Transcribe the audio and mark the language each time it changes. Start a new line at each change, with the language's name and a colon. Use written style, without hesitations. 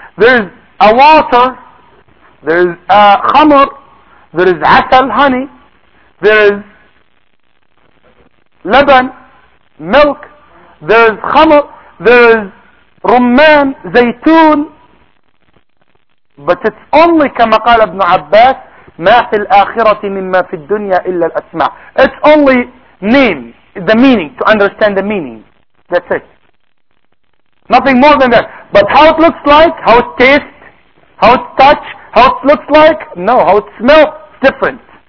English: There is a water, there is a khamr, there is asal, honey, there is laban, milk, there is khamr, there is rumman, zaytun, but it's only,
Arabic: kama qala ibn Abbas, ما في الآخرة مما في الدنيا إلا الأسماء.
English: It's only name, the meaning, to understand the meaning. That's it. Nothing more than that. But how it looks like, how it tastes, how it touch, how it looks like, no, how it smells, different.